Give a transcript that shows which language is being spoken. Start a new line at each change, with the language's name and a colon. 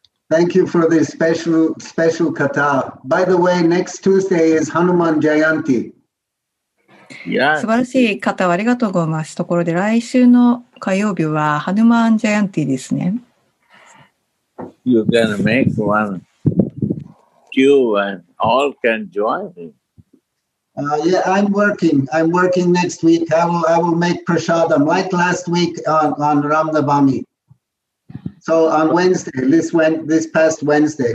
English: Thank you for this special kata. By the way, next Tuesday is Hanuman Jayanti.
Japanese: 素晴らしい方ありがとうございます。ところで来週の火曜日はハヌマンジャヤンティですね。
English: You can make one queue and all can join it. I'm working next week. I will make prasadam like last week on Ramnavami. So on Wednesday, this past Wednesday.